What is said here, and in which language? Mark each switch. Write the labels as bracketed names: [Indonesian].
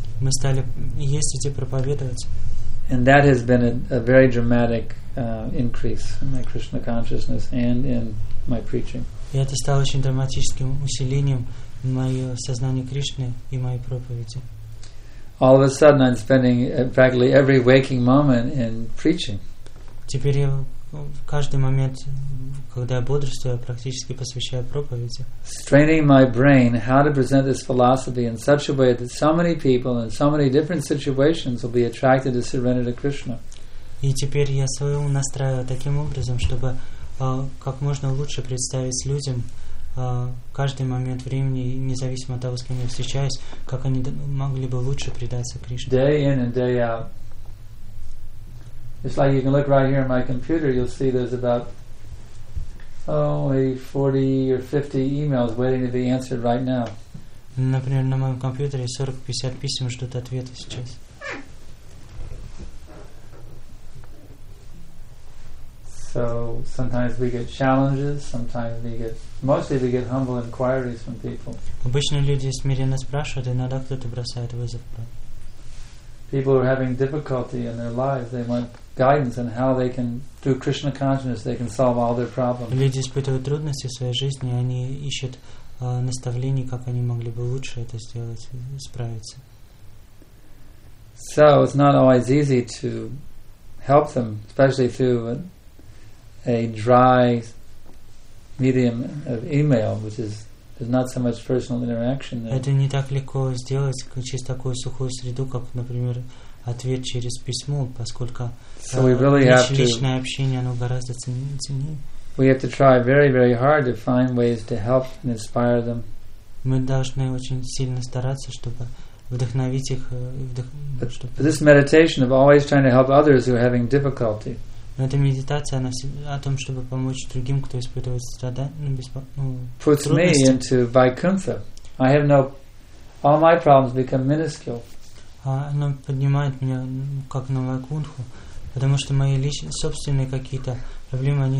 [Russian] Мы стали ездить и проповедовать. [English] And that has been a very dramatic increase in my Krishna consciousness and in my preaching. [Russian] И это стало очень драматическим усилением моего сознания Кришны и моей проповеди. [English] All of a sudden I'm spending practically every waking moment in preaching. [Russian] Теперь я в каждый момент, когда я бодрствую, я практически посвящаю проповеди. [English] Straining my brain how to present this philosophy in such a way that so many people in so many different situations will be attracted to surrender to Krishna. [Russian] И теперь я свой ум настраиваю таким образом, чтобы как можно лучше представить людям каждый момент времени, независимо от того, с кем я встречаюсь, как они могли бы лучше предаться Кришне. [English] Day in and day out. It's like you can look right here on my computer, you'll see there's about maybe 40 or 50 emails waiting to be answered right now. [Russian] Например, на моем компьютере 40-50 писем ждут ответа сейчас. [English] So sometimes we get challenges, sometimes we get mostly we get humble inquiries from people. [Russian] Обычно люди смиренно спрашивают, иногда кто-то бросает вызов. [English] People are having difficulty in their lives, they want guidance on how they can through Krishna consciousness they can solve all their problems. [Russian] Люди испытывают трудности в своей жизни, они ищут наставлений, как они могли бы лучше это сделать, справиться. [English] So it's not always easy to help them, especially through a dry medium of email, which is there's not so much personal interaction. [Russian] Это не так легко сделать через такую сухую среду, как, например, ответ через письмо, поскольку личное общение оно гораздо ценнее. [English] We have to try very, very hard to find ways to help and inspire them. [Russian] Мы должны очень сильно стараться, чтобы вдохновить их, чтобы. [English] This meditation of always trying to help others who are having difficulty. [Russian] Но эта медитация она о том, чтобы помочь другим, кто испытывает страдания. [English] Puts me into Vaikuntha. I have no, all my problems become minuscule. [Russian] Она поднимает меня как на Вайкунтху, потому что мои личные собственные какие-то проблемы они